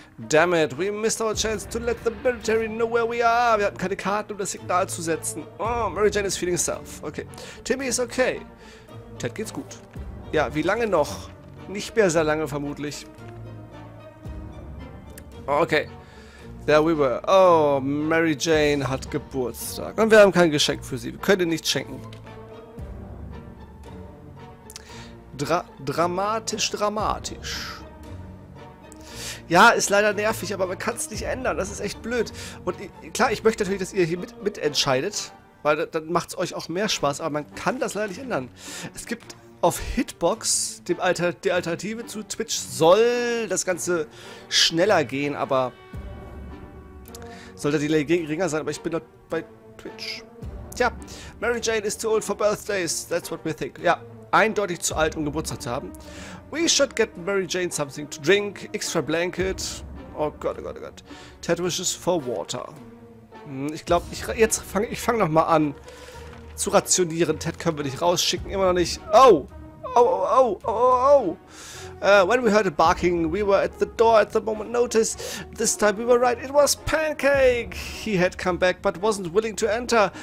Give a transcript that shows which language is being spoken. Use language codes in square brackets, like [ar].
[en] Damn it, we missed our chance to let the military know where we are. [de] Wir hatten keine Karten, um das Signal zu setzen. [en] Oh, Mary Jane is feeling self. Okay. Timmy is okay. [de] Ted geht's gut. Ja, wie lange noch? Nicht mehr sehr lange, vermutlich. [en] Okay. There we were. Oh, Mary Jane [de] hat Geburtstag. Und wir haben kein Geschenk für sie. Wir können ihr nichts schenken. Dramatisch. Ja, ist leider nervig, aber man kann es nicht ändern. Das ist echt blöd. Und klar, ich möchte natürlich, dass ihr hier mitentscheidet, weil dann macht es euch auch mehr Spaß. Aber man kann das leider nicht ändern. Es gibt auf Hitbox die Alternative zu Twitch. Soll das Ganze schneller gehen, aber soll der Delay geringer sein. Aber ich bin dort bei Twitch. [en] Tja, Mary Jane is too old for birthdays. That's what we think. [de] Ja, eindeutig zu alt, um Geburtstag zu haben. [en] We should get Mary Jane something to drink. Extra blanket. Oh Gott, oh Gott, oh Gott. Ted wishes for water. [de] Ich glaube, ich fange nochmal an zu rationieren. Ted können wir nicht rausschicken. Immer noch nicht. Oh! Oh, oh, oh, oh, oh, oh. [en] When we heard a barking, we were at the door at the moment notice. This time we were right. It was Pancake. He had come back but wasn't willing to enter.